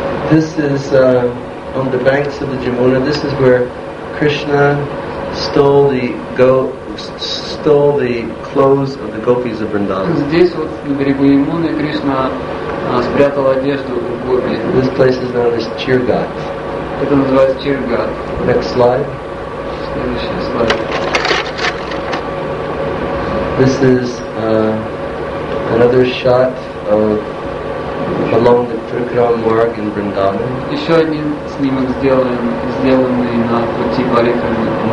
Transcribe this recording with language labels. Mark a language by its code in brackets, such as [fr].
[en] This is on the banks of the Jamuna. This is where Krishna stole the clothes of the gopis of Vrindavan. [ru] Здесь вот на берегу Ямуны Кришна спрятал одежду у гопи. [en] This place is known as Chirgat. [ru] Это называется Chirgat. [en] Next slide. [ru] Следующий слайд. [en] This is another shot along the Trikram Marg in Vrindavan. [ru] Еще один снимок сделанный на пути Парикрамы.